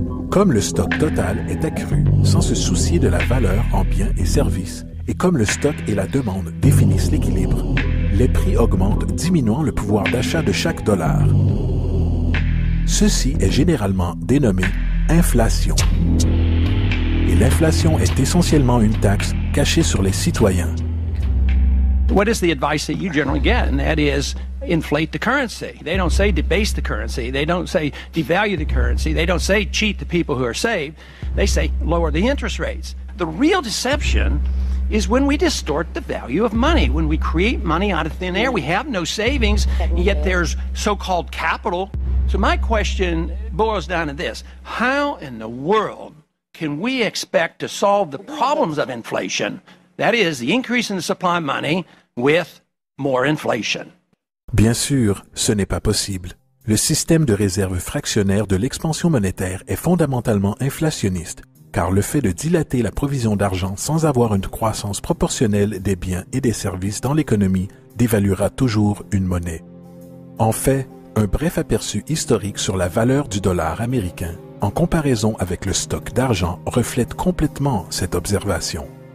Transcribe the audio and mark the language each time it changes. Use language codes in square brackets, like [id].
[fr] Comme le stock total est accru sans se soucier de la valeur en biens et services, et comme le stock et la demande définissent l'équilibre, les prix augmentent, diminuant le pouvoir d'achat de chaque dollar. Ceci est généralement dénommé inflation. Et l'inflation est essentiellement une taxe cachée sur les citoyens. [en] What is the advice that you generally get? And that is, inflate the currency. They don't say debase the currency. They don't say devalue the currency. They don't say cheat the people who are saved. They say lower the interest rates. The real deception is when we distort the value of money, when we create money out of thin air. We have no savings, and yet there's so-called capital. So my question boils down to this. How in the world can we expect to solve the problems of inflation, that is, the increase in the supply of money, with more inflation? [fr] Bien sûr, ce n'est pas possible. Le système de réserve fractionnaire de l'expansion monétaire est fondamentalement inflationniste, car le fait de dilater la provision d'argent sans avoir une croissance proportionnelle des biens et des services dans l'économie dévaluera toujours une monnaie. En fait, un bref aperçu historique sur la valeur du dollar américain en comparaison avec le stock d'argent reflète complètement cette observation.